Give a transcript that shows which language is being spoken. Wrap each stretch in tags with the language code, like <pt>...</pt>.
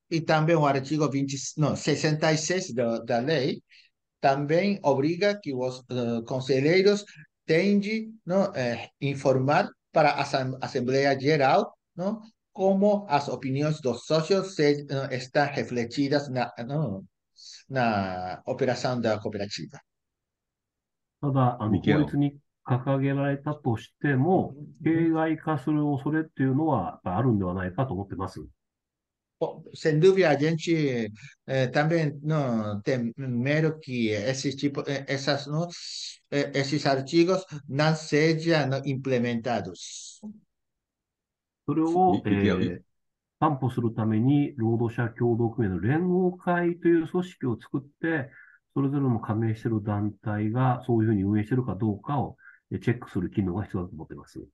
<pt>E também o artigo 20, não, 66 da lei também obriga que os conselheiros têm de informar para a Assembleia Geral como as opiniões dos sócios estão refletidas na operação da cooperativa.</pt> <ja>ただ、法律に掲げられたとしても、形骸化する恐れっていうのは、あるんではないかと思ってます。</ja> <pt>Sem dúvida, a gente também tem medo que esses artigos não sejam implementados.</pt> <ja>それを、担保するために、労働者協同組合の連合会という組織を作って、それぞれの加盟している団体がそういうふうに運営しているかどうかをチェックする機能が必要だと思っています。</ja>